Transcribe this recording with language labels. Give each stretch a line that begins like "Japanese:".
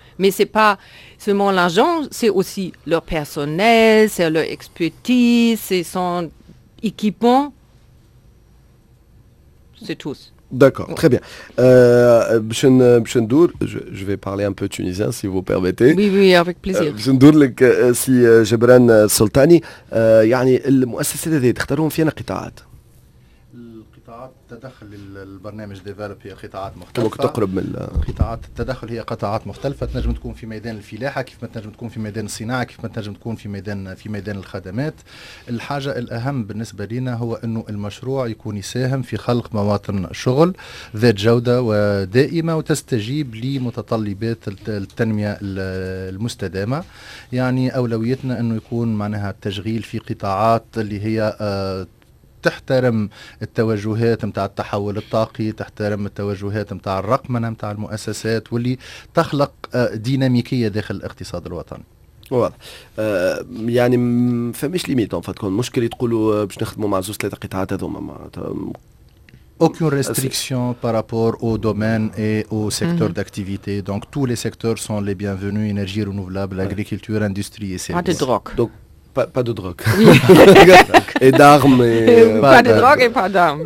French: Mais ce n'est pas seulement l'argent, c'est aussi leur personnel, c'est leur expertise, c'est son équipement. C'est tous. D'accord, bon. Très bien. Bchendour, je vais parler un peu tunisien, si vous permettez. Oui, avec plaisir.
Arabic: Bchendour, si Jebran Soltani, يعني المؤسسة التي تختارون فيها قطاعات. القطاعات التدخل للبرنامج ديفلوب هي قطاعات مختلفة. ممكن تقرب من قطاعات التدخل هي قطاعات مختلفة. تنجم تكون في ميدان الفلاحة كيف ما تنجم تكون في ميدان الصناعة كيف ما تنجم تكون في ميدان الخدمات. الحاجة الأهم بالنسبة لنا هو إنه المشروع يكون يساهم في خلق مواطن شغل ذات جودة ودائمة وتستجيب لمتطلبات التنمية المستدامة. يعني أولويتنا إنه يكون معناها التشغيل في قطاعات اللي هي تحترم التوجهات متاع التحول الطاقي، تحترم التوجهات متاع الرقمنة متاع المؤسسات، واللي تخلق ديناميكية داخل الاقتصاد الوطني. واضح. يعني فمش ليميتون فتكون مشكلة تقولوا باش نخدموا مع زوج ثلاثة قطاعات هذوما
French: aucune restriction par rapport au domaine et au secteur d'activité. Donc tous les secteurs sont les bienvenus, énergie renouvelable, agriculture, industrie et services. Pas de drogue. Et d'armes. Pas de drogue et pas d'armes.